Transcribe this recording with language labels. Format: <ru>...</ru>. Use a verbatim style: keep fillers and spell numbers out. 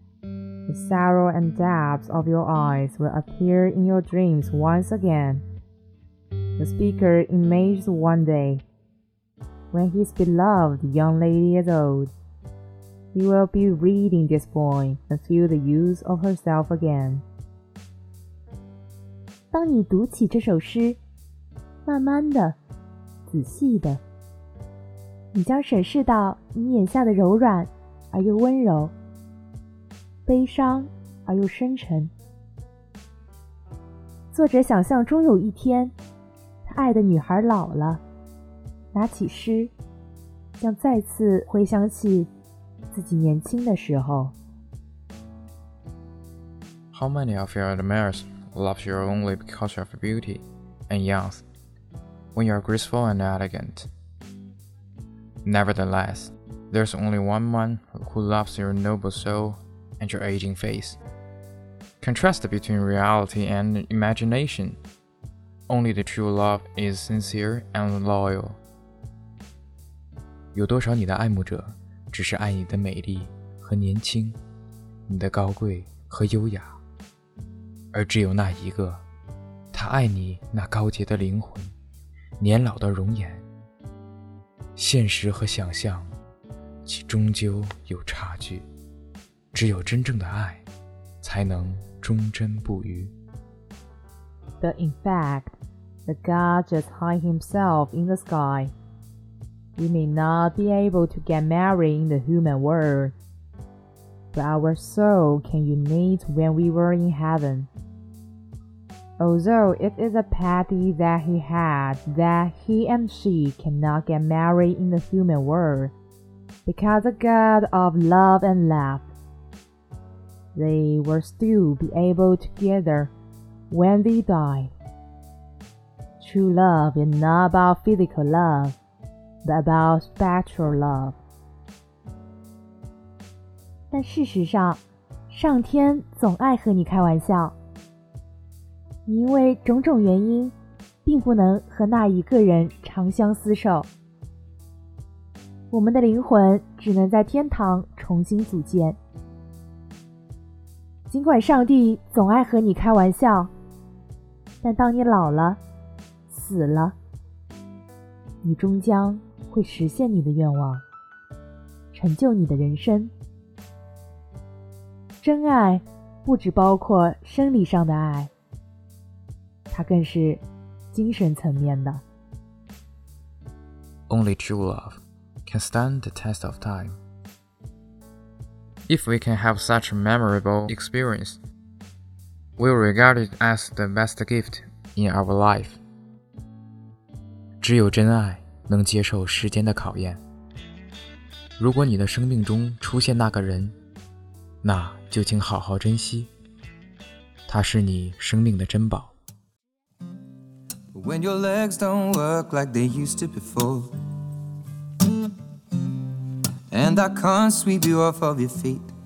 <en>The sorrow and depths of your eyes will appear in your dreams once again. The speaker imagines one day, when his beloved young lady is old, he will be reading this poem and feel the youth of herself again.</en> <zh>当你读起这首诗，慢慢的，仔细的，你将审视到你眼下的柔软而又温柔，悲伤而又深沉。作者想象中有一天，他爱的女孩老了，拿起诗，将再次回想起自己年轻的时候。</zh> <en>How many of your admirers love you only because of beauty and youth, when you are graceful and elegant? Nevertheless, there's only one man who loves your noble soul and your aging face. Contrast between reality and imagination. Only the true love is sincere and loyal.</en> <zh>有多少你的爱慕者只是爱你的美丽和年轻，你的高贵和优雅，而只有那一个，他爱你那高洁的灵魂，年老的容颜。现实和想象，其终究有差距。只有真正的爱，才能忠贞不渝。</zh> <en>But in fact, the god just hides himself in the sky. We may not be able to get married in the human world, but our soul can unite when we were in heaven. Although it is a pity that he had, that he and she cannot get married in the human world, because the God of love and love, they will still be able together when they die. True love is not about physical love, but about spiritual love.</en> <zh>但事实上，上天总爱和你开玩笑。你因为种种原因，并不能和那一个人长相厮守。我们的灵魂只能在天堂重新组建。尽管上帝总爱和你开玩笑，但当你老了，死了，你终将会实现你的愿望，成就你的人生。真爱不只包括生理上的爱，它更是精神层面的。</zh> <en>Only true love can stand the test of time. If we can have such a memorable experience, we'll regard it as the best gift in our life.</en> <zh>只有真爱能接受时间的考验。如果你的生命中出现那个人，那就请好好珍惜，他是你生命的珍宝。</zh> <en>But when your legs don't work like they used to before, and I can't sweep you off of your feet.</en>